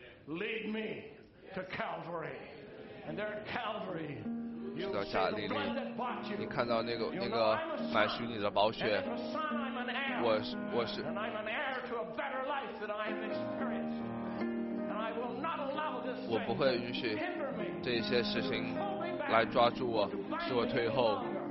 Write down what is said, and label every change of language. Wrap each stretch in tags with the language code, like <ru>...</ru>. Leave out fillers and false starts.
<en>Lead me to Calvary, and there at Calvary, you see the blood that bought you.</en> <zh>你看到那个买赎你的宝血。我是。</zh> <en>And I'm an heir to a better life than I've experienced. And I will not allow this thing.</en> <zh>我不会允许这些事情来抓住我，使我退后。</zh>